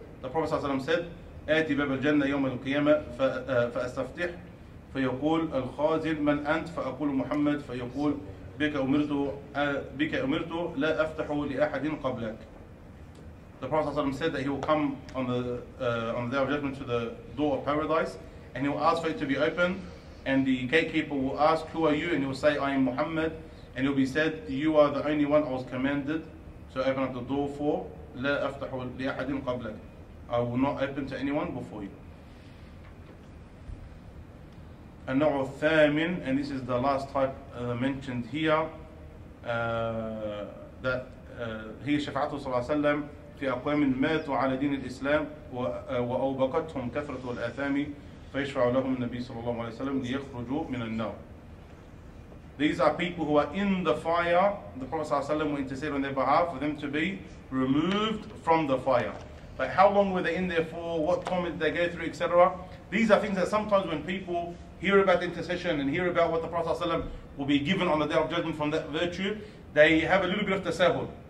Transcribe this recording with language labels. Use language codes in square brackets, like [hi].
[en] The Prophet ﷺ said, [ar] آتي باب الجنة يوم القيامة فأستفتح فيقول الخازن من أنت فأقول محمد فيقول بك أمرت لا أفتح لأحد قبلك. [en] The Prophet ﷺ said that he will come on the day of judgment to the door of paradise, and he will ask for it to be opened, and the gatekeeper will ask, who are you? And he will say, I am Muhammad. And he will be said, you are the only one I was commanded to open up the door for. [ar] لا أفتح لأحد قبلك. [en] I will not open to anyone before you. [ar] النوع الثامن, [en] and this is the last type mentioned here, that [ar] هي شفعته صلى الله عليه وسلم في أقوام ماتوا على دين الإسلام وأوبقتهم كثرة الآثام فيشفع لهم النبي صلى الله عليه وسلم ليخرجوا من النار. [en] These are people who are in the fire. The Prophet صلى الله عليه وسلم will intercede on their behalf for them to be removed from the fire. But how long were they in there for? What torment did they go through, etc.? These are things that sometimes when people hear about the intercession and hear about what the Prophet ﷺ will be given on the Day of Judgment from that virtue, they have a little bit of tasahul.